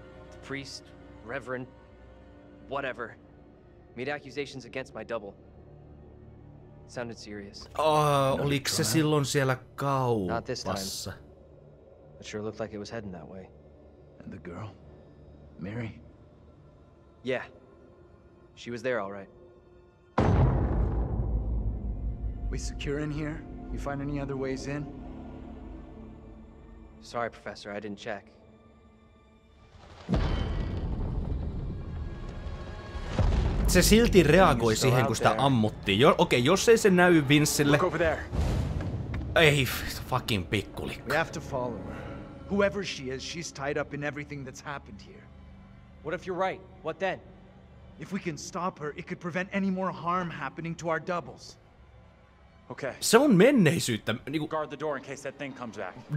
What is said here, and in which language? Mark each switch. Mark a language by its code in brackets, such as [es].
[en] The priest, reverend, whatever, made accusations against my double. It sounded serious. [fi] Oliko se silloin siellä kaupassa? [en] Not this time. It sure looked like it was heading that way. And the girl? Mary? Yeah. She was there, all right. We secure in here? You find any other ways in? Sorry, Professor, I didn't check. [fi] Se silti reagoi siihen, kun sitä ammuttiin. Okei, jos ei se näy Vincelle... [en] Look over there. [fi] Ei, fucking pikkulikka. [en] We have to follow her. Whoever she is, she's tied up in everything that's happened here. What if you're right? What then? If we can stop her, it could prevent any more harm happening to our doubles. Okay. [fi] Se on menneisyyttä. Niinku... [en] Guard the door in case that thing comes back.